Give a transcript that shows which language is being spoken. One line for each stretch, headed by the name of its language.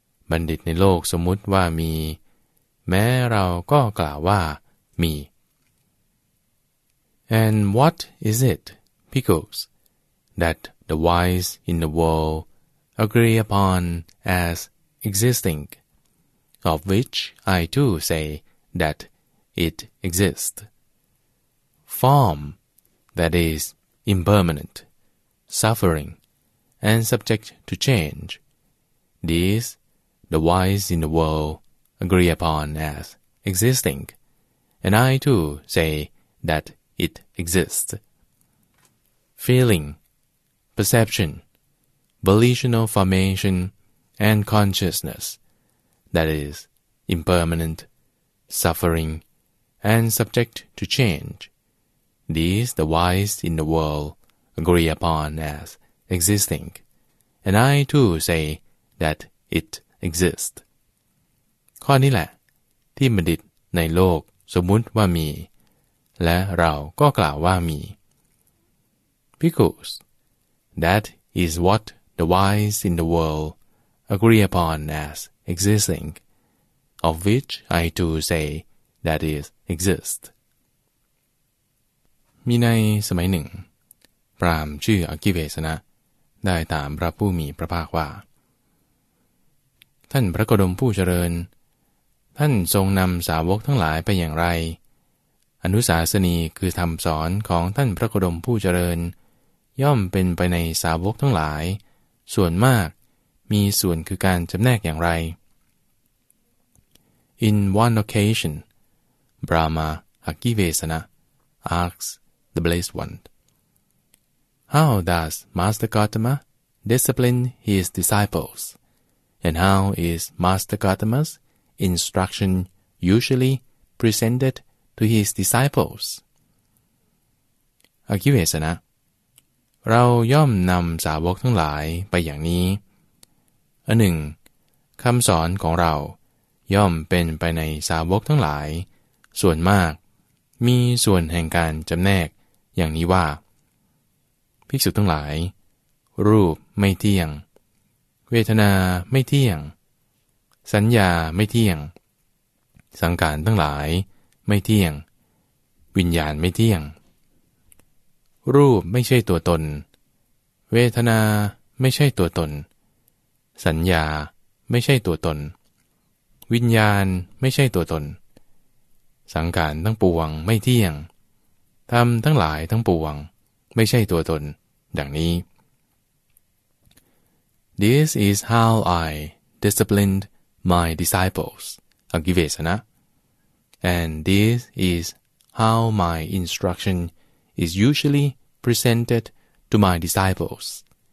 Thai: บัณฑิตในโลกสมมุติว่ามีแม้เราก็กล่าวว่ามี
English: And what is it, Bhikkhus, that the wise in the world agree upon as existingOf which I too say that it exists. Form, that is, impermanent, suffering, and subject to change, these the wise in the world agree upon as existing, and I too say that it exists. Feeling, perception, volitional formation, and consciousness,that is, impermanent, suffering, and subject to change. These the wise in the world agree upon as existing, and I too say that it exists.
Thai: ข้อนี้แหละที่บัณฑิตในโลกสมมุติว่ามีและเราก็กล่าวว่ามี
English: Because that is what the wise in the world agree upon as existing. Of which I too say that is exist.
Thai: มีในสมัยหนึ่งพราหมณ์ชื่ออกิเวสนะได้ถามพระผู้มีพระภาคว่าท่านพระโคดมผู้เจริญท่านทรงนำสาวกทั้งหลายไปอย่างไรอนุสาสนีคือธรรมสอนของท่านพระโคดมผู้เจริญย่อมเป็นไปในสาวกทั้งหลายส่วนมากมีส่วนคือการจำแนกอย่างไร
English: In one occasion, Brahma Akivesana asks the Blessed One, How does Master Gautama discipline his disciples? And how is Master Gautama's instruction usually presented to his disciples?
Thai: Akivesana, เราย่อมนำสาวกทั้งหลายไปอย่างนี้อันหนึ่งคำสอนของเราย่อมเป็นไปในสาวกทั้งหลายส่วนมากมีส่วนแห่งการจำแนกอย่างนี้ว่าภิกษุทั้งหลายรูปไม่เที่ยงเวทนาไม่เที่ยงสัญญาไม่เที่ยงสังขารทั้งหลายไม่เที่ยงวิญญาณไม่เที่ยง รูปไม่ใช่ตัวตนเวทนาไม่ใช่ตัวตนสัญญาไม่ใช่ตัวตนวิญญาณไม่ใช่ตัวตนสังขารทั้งปวงไม่เที่ยงธรรมทั้งหลายทั้งปวงไม่ใช่ตัวตนดังนี้
English: This is how I disciplined my disciples, Agivesana. And this is how my instruction is usually presented to my disciples.